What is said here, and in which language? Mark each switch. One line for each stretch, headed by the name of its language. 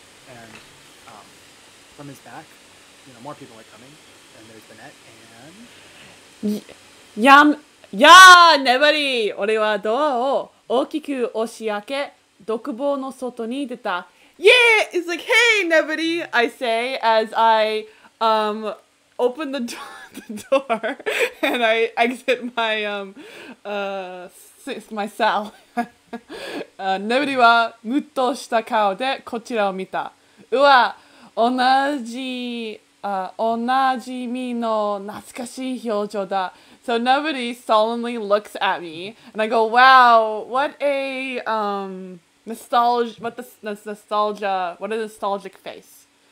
English: And from his back, you know, more people are coming, and there's Bennett and
Japanese: Yam. やあ、ネバリー。俺はドアを大きく押し開け、独房の外に出た。
English: Yeah! It's like, hey, ネバリー、I say as I open the door and I exit my my cell.
Japanese: ネバリーはムッとした顔でこちらを見た。うわ、おなじみの懐かしい表情だ。
English: So nobody solemnly looks at me, and I go, wow, what a nostalgic face.